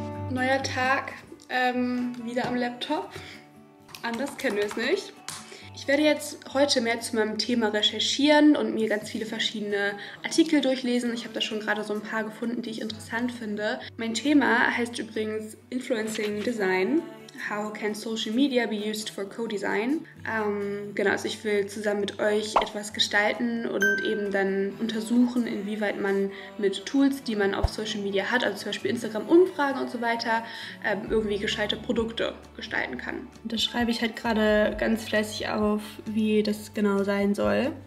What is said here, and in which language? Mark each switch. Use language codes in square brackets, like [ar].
[de] Neuer Tag, wieder am Laptop. Anders kennen wir es nicht. Ich werde jetzt heute mehr zu meinem Thema recherchieren und mir ganz viele verschiedene Artikel durchlesen. Ich habe da schon gerade so ein paar gefunden, die ich interessant finde. Mein Thema heißt übrigens Influencing Design. [en] How can social media be used for co-design? [de] Genau, also ich will zusammen mit euch etwas gestalten und eben dann untersuchen, inwieweit man mit Tools, die man auf Social Media hat, also zum Beispiel Instagram-Umfragen und so weiter, irgendwie gescheite Produkte gestalten kann. Das schreibe ich halt gerade ganz fleißig auf, wie das genau sein soll.